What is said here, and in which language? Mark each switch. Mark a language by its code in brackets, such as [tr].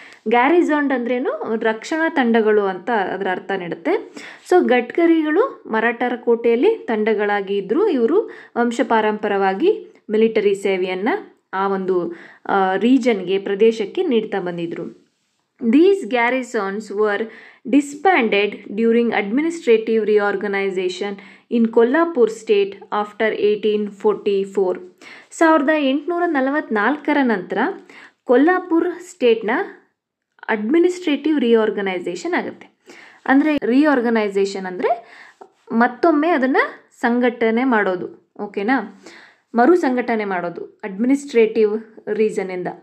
[kn] ಗ್ಯಾರಿಝೋನ್ಡ್ ಅಂದ್ರೇನು ರಕ್ಷಣಾ ತಂಡಗಳು ಅಂತ ಅದರ ಅರ್ಥ ನೀಡುತ್ತೆ. ಸೊ ಗಡ್ಕರಿಗಳು ಮರಾಠರ ಕೋಟೆಯಲ್ಲಿ ತಂಡಗಳಾಗಿ ಇದ್ದರು. ಇವರು ವಂಶ ಪಾರಂಪರವಾಗಿ ಮಿಲಿಟರಿ ಸೇವೆಯನ್ನು ಆ ಒಂದು ರೀಜನ್ಗೆ ಪ್ರದೇಶಕ್ಕೆ ನೀಡ್ತಾ ಬಂದಿದ್ದರು. [en] These garrisons were disbanded during administrative reorganization in Kolhapur state after 1844. [kn] 1844 ನಂತರ ಕೊಲ್ಹಾಪುರ್ ಸ್ಟೇಟ್ನ ಅಡ್ಮಿನಿಸ್ಟ್ರೇಟಿವ್ ರಿಆರ್ಗನೈಸೇಷನ್ ಆಗುತ್ತೆ. ಅಂದರೆ ರಿಆರ್ಗನೈಸೇಷನ್ ಅಂದರೆ ಮತ್ತೊಮ್ಮೆ ಅದನ್ನು ಸಂಘಟನೆ ಮಾಡೋದು, ಓಕೆನಾ, ಮರು ಸಂಘಟನೆ ಮಾಡೋದು ಅಡ್ಮಿನಿಸ್ಟ್ರೇಟಿವ್ ರೀಸನಿಂದ.